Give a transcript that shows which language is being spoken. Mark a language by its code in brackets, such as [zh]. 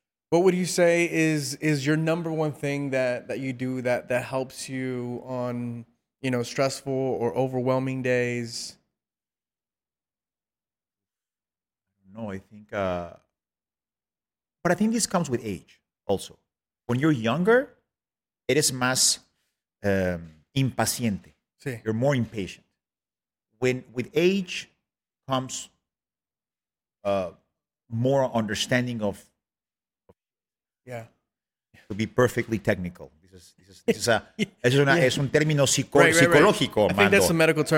[en] What would you say is your number one thing that you do that helps you on, you know, stressful or overwhelming days? No, I think, but I think this comes with age also. When you're younger, [es] eres más impaciente. Sí. [en] You're more impatient. When with age comes more understanding of. Yeah. To be perfectly technical. This is a [es] término psicológico. [en] I think that's a medical term.